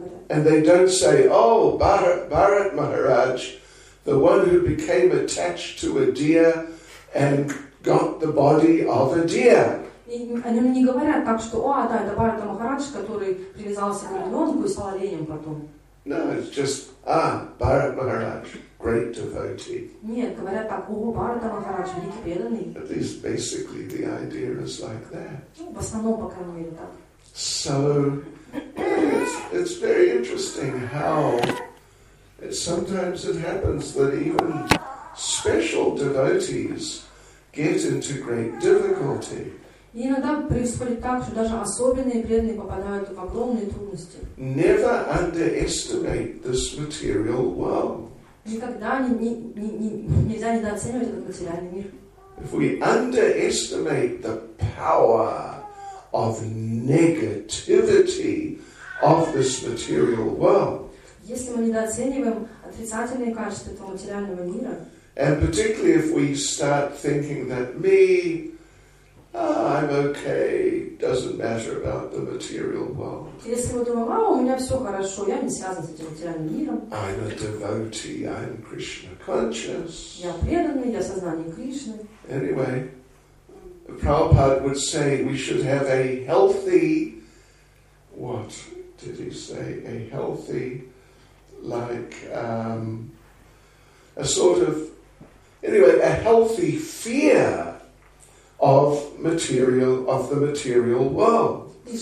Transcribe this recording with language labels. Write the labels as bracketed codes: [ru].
[en] And they don't say, oh, Bharat Maharaj, the one who became attached to a deer and got the body of a deer. [ru] Они не говорят так, что, о, да, это Бхарата Махарадж, который привязался к ребенку и стал оленем потом. [en] No, it's just, ah, Bharat Maharaj, great devotee. [ru] Нет, говорят так, о, Бхарата Махарадж, великий преданный. [en] At least basically the idea is like that. [ru] В основном, по крайней мере, так. [en] So, it's very interesting how sometimes it happens that even special devotees get into great difficulty. [ru] И иногда происходит так, что даже особенные преданные попадают в огромные трудности. [en] Never underestimate this material world. [ru] Никогда нельзя недооценивать этот материальный мир. [en] If we underestimate the power of negativity of this material world. [ru] Если мы недооцениваем отрицательные качества этого материального мира. [en] And particularly if we start thinking that me, I'm okay, doesn't matter about the material world. [ru] Если мы думаем, у меня все хорошо, я не связан с этим материальным миром. [en] I'm a devotee, I'm Krishna conscious. [ru] Я преданный, я сознание Кришны. [en] Anyway, Prabhupada would say we should have a healthy, what did he say, a healthy, like, a sort of, anyway, a healthy fear of material, of the material world.